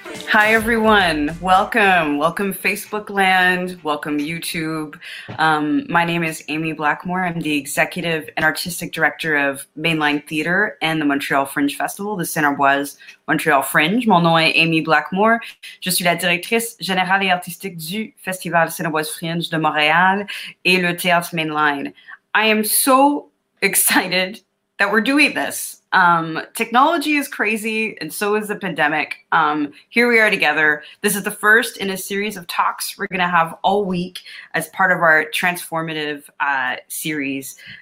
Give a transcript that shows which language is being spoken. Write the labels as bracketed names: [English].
[English] Hi everyone, welcome. Welcome Facebook land, welcome YouTube. My name is Amy Blackmore. I'm the executive and artistic director of Mainline Theatre and the Montreal Fringe Festival, the Cinéroise Montreal Fringe. [French] Mon nom est Amy Blackmore. Je suis la directrice générale et artistique du Festival Cinéroise Fringe de Montréal et le Théâtre Mainline. [English] I am so excited that we're doing this. Technology is crazy, and so is the pandemic. Here we are together. This is the first in a series of talks we're going to have all week as part of our transformative series.